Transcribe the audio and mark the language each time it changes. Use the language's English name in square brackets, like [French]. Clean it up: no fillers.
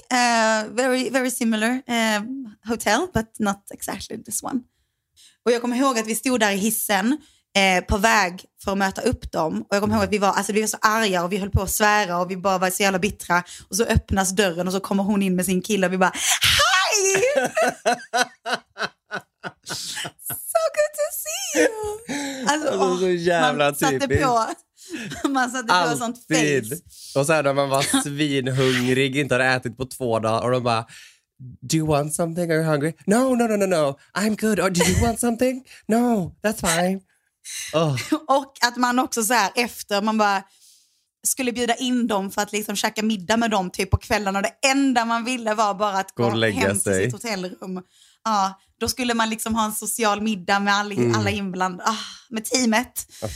[English] Very, very similar hotel, but not exactly this one. [Swedish] Och jag kommer ihåg att vi stod där i hissen på väg för att möta upp dem. Och jag kommer ihåg att vi var så arga och vi höll på att svära och vi bara var så jävla bittra. Och så öppnas dörren och så kommer hon in med sin kille och vi bara, hi! [English] So good to see you! [Swedish] Alltså så jävla man typiskt. Man satte på alltid sånt face. Och så här när man var svinhungrig, inte hade ätit på två dagar. Och de bara, [English] do you want something? Are you hungry? No, I'm good. Or, do you want something? No, that's fine. [Swedish] Och att man också så här efter man bara skulle bjuda in dem för att liksom käka middag med dem typ på kvällen, och det enda man ville var bara att gå hem till sitt hotellrum. Ja, då skulle man liksom ha en social middag med alla inblandade, med teamet.